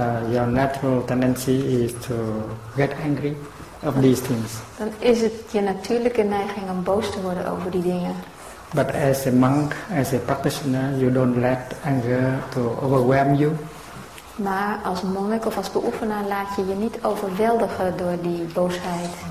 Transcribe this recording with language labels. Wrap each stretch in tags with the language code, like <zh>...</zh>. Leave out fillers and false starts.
<en>Your natural tendency is to get angry of these things.</en> <nl>Dan is het je natuurlijke neiging om boos te worden over die dingen.</nl> <en>But as a monk, as a practitioner, you don't let anger to overwhelm you.</en> <nl>Maar als monnik of als beoefenaar laat je je niet overweldigen door die boosheid.</nl>